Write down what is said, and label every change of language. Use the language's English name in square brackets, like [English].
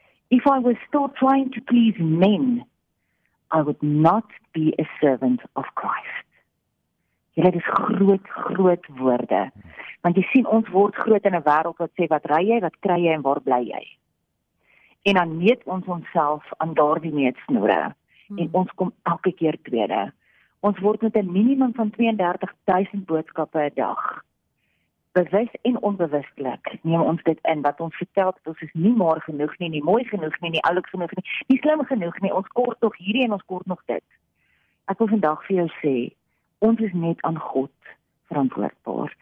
[English] If I was still trying to please men, I would not be a servant of Christ. [Afrikaans] Julle, dis groot, groot woorde. Want jy sien, ons word groot in 'n wêreld wat sê, wat ry jy, wat kry jy en waar bly jy? En dan meet ons onsself aan daardie meetsnore. En ons kom elke keer tweede. Ons word met 'n minimum van 32,000 boodskappe 'n dag. Bewus en onbewustelik neem ons dit in, wat ons vertel dat ons is nie maar genoeg nie, nie mooi genoeg nie, nie oulik genoeg nie, nie slim genoeg nie, ons kort nog hierdie en ons kort nog dit. Ek wil vandag vir jou sê, ons is net aan God verantwoordbaar.